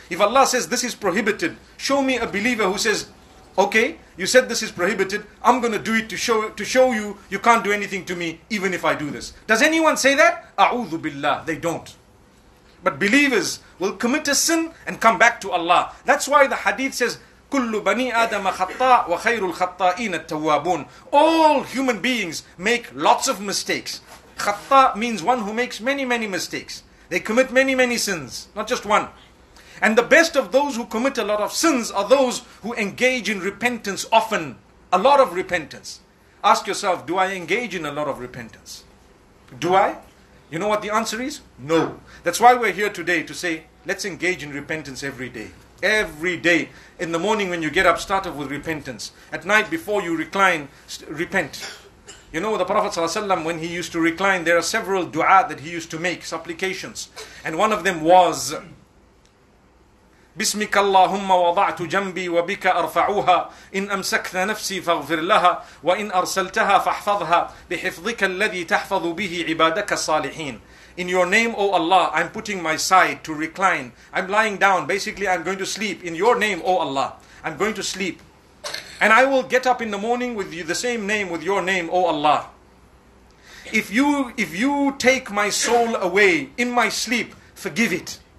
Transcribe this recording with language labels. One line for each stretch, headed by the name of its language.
English: If Allah says this is prohibited, show me a believer who says, okay, you said this is prohibited, I'm going to do it to show you, you can't do anything to me even if I do this. Does anyone say that? A'udhu billah, they don't. But believers will commit a sin and come back to Allah. That's why the hadith says,
Arabic: كُلُّ بَنِي آدَمَ خَطَّاءَ وَخَيْرُ الْخَطَّائِينَ التَّوَّابُونَ.
English: All human beings make lots of mistakes. خَطَّاء means one who makes many, many mistakes. They commit many, many sins, not just one. And the best of those who commit a lot of sins are those who engage in repentance often. A lot of repentance. Ask yourself, do I engage in a lot of repentance? Do I? You know what the answer is? No. That's why we're here today to say, let's engage in repentance every day. Every day. In the morning when you get up, start off with repentance. At night before you recline, repent. You know, the Prophet ﷺ, when he used to recline, there are several dua that he used to make, supplications. And one of them was,
Arabic: بِسْمِكَ اللَّهُمَّ وَضَعْتُ جَنْبِي وَبِكَ أَرْفَعُوهَا إِنْ أَمْسَكْتَ نَفْسِي فَاغْفِرْ لَهَا وَإِنْ أَرْسَلْتَهَا فَاحْفَظْهَا بِحِفْظِكَ الَّذِي تَحْفَظُ بِهِ عِبَادَكَ الصَّالِحِينَ.
English: In your name, O Allah, I'm putting my side to recline. I'm lying down. Basically, I'm going to sleep. In your name, O Allah, I'm going to sleep. And I will get up in the morning with you, the same name, with your name, O Allah. If you take my soul away in my sleep, forgive it.